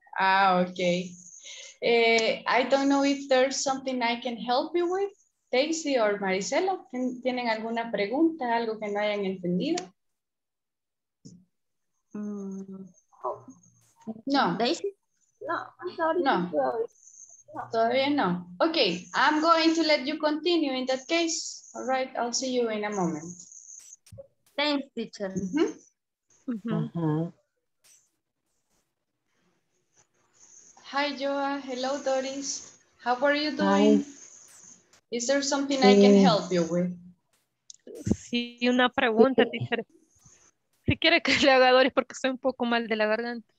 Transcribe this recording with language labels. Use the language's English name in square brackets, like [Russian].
[English] Ah, ok. I don't know if there's something I can help you with. [Spanish] Daisy or Maricela, ¿tienen alguna pregunta, algo que no hayan entendido? No. Daisy? No. No. Todavía no. [English] Ok, I'm going to let you continue in that case. All right, I'll see you in a moment. Thanks, teacher. Mm-hmm. Mm-hmm. Hi, Joa. Hello, Doris. How are you doing? Hi. Is there something I can help you with? [Spanish] Sí, una pregunta, teacher. Si quiere que le haga Doris porque estoy un poco mal de la garganta.